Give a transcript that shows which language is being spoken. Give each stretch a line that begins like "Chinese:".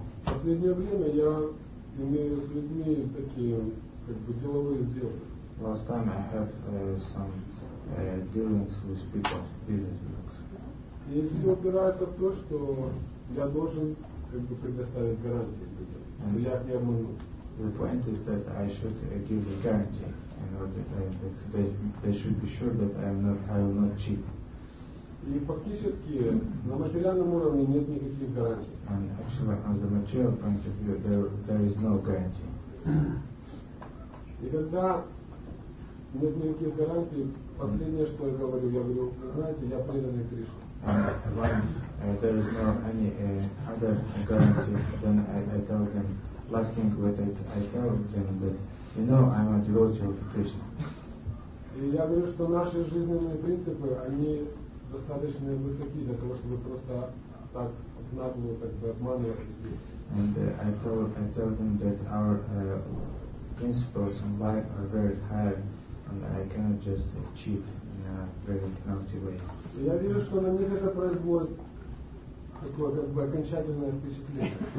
Russian: В последнее время я имею с людьми такие как бы деловые сделки.
English: Last time I have some dealings with people, business dealings.
Russian: И все упирается в то, что я должен как бы предоставить гарантии людям, что я их не обману.
English: The point is that I should give a guarantee in order that they should be sure that I will not cheat.
Russian: И фактически на материальном уровне нет никаких гарантий.
English: And actually, on the material point of view, there is no guarantee.
Russian: И когда нет никаких гарантий, последнее, что я говорю, знаете, я преданный Кришне.
English: There is no any other guarantee, then I tell them, last thing with it, I tell them that, you know, I'm a devotee of Krishna.
Russian: И я говорю, что наши жизненные принципы, они достаточно высоки для того, чтобы просто так нагло как бы обманывать людей.
English: And I tell them that our principles in life are very high, and I cannot just cheat in a very naughty way.
Russian: Я вижу, что на них это производит такое как бы окончательное впечатление.